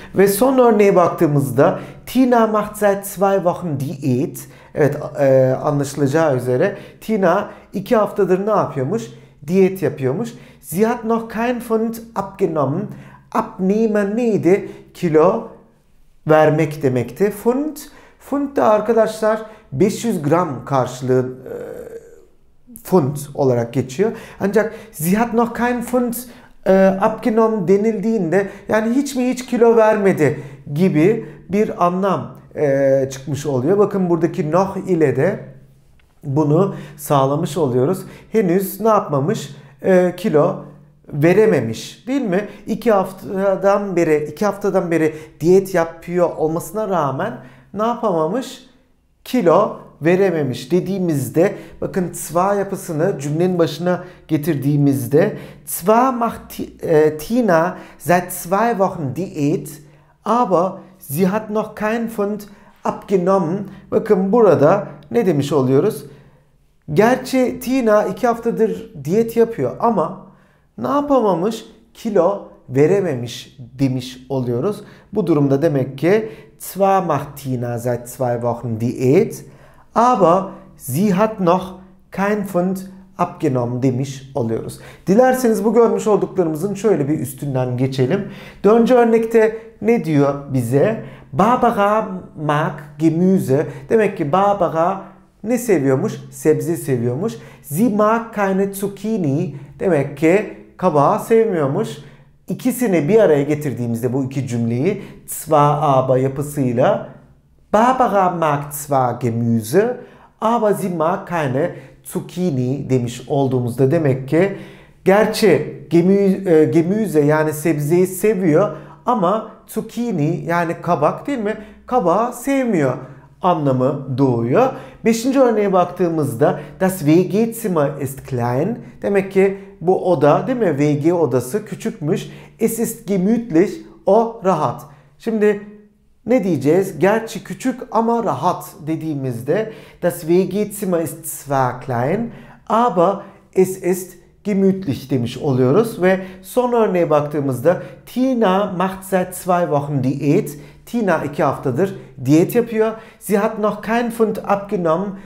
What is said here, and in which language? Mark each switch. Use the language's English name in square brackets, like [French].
[Turkish] Ve son örneğe baktığımızda [German] Tina macht seit zwei Wochen Diät. [Turkish] Evet anlaşılacağı üzere Tina 2 haftadır ne yapıyormuş? Diyet yapıyormuş. [German] Sie hat noch kein Pfund abgenommen. [Turkish] Abnehmen neydi? Kilo vermek demekti. Pfund. Funt da arkadaşlar 500 gram karşılığı funt olarak geçiyor. Ancak Ziyad [German] noch kein Funt abgenommen [Turkish] denildiğinde, yani hiç mi hiç kilo vermedi gibi bir anlam çıkmış oluyor. Bakın buradaki noch ile de bunu sağlamış oluyoruz. Henüz ne yapmamış? Kilo verememiş, değil mi? İki haftadan beri diyet yapıyor olmasına rağmen ne yapamamış? Kilo verememiş dediğimizde, bakın zwar yapısını cümlenin başına getirdiğimizde, [German] zwar macht Tina seit zwei Wochen Diät, aber sie hat noch kein Pfund abgenommen. [Turkish] Bakın burada ne demiş oluyoruz? Gerçi Tina 2 haftadır diyet yapıyor ama ne yapamamış? Kilo verememiş demiş oluyoruz. Bu durumda demek ki [German] zwar macht Tina seit zwei Wochen Diät, aber sie hat noch kein Pfund abgenommen [Turkish] demiş oluyoruz. Dilerseniz bu görmüş olduklarımızın şöyle bir üstünden geçelim. Dönce örnekte ne diyor bize? [German] Barbara mag Gemüse. [Turkish] Demek ki Barbara ne seviyormuş? Sebze seviyormuş. [German] Sie mag keine Zucchini. [Turkish] Demek ki kabağı sevmiyormuş. İkisini bir araya getirdiğimizde bu iki cümleyi zwar aber yapısıyla, [German] Barbara mag zwar Gemüse, aber sie mag keine Zucchini [Turkish] demiş olduğumuzda, demek ki gerçi Gemüse yani sebzeyi seviyor ama Zucchini yani kabak, değil mi? Kabağı sevmiyor anlamı doğuyor. Beşinci örneğe baktığımızda [German] das WG-Zimmer ist klein. [Turkish] Demek ki bu oda, değil mi? WG odası küçükmüş. [German] Es ist gemütlich, [Turkish] o rahat. Şimdi ne diyeceğiz? Gerçi küçük ama rahat dediğimizde [German] das WG-Zimmer ist zwar klein, aber es ist gemütlich [Turkish] demiş oluyoruz. [German] Ve son örneğe baktığımızda Tina macht seit zwei Wochen Diät. [Turkish] Tina 2 haftadır diyet yapıyor. [German] Sie hat noch kein Pfund abgenommen.